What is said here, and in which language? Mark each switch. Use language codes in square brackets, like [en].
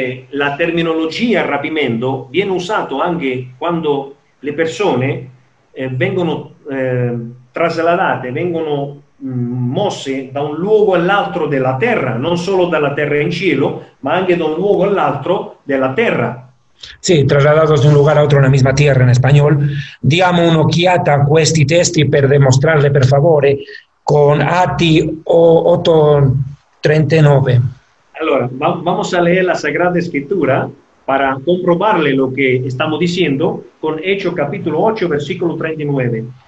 [it] la terminologia rapimento viene usato anche quando le persone vengono trasladate, vengono mosse da un luogo all'altro della terra, non solo dalla terra in cielo, ma anche da un luogo all'altro della terra. [es] Sì, trasladados de un lugar a otro [it] nella [es] misma tierra in español. [it] Diamo un'occhiata a questi testi per dimostrarle, per favore, con Atti 8:39. [es] Allora, vamos a leer la Sagrada Escritura para comprobarle lo que estamos diciendo con Hechos capítulo 8, versículo 39.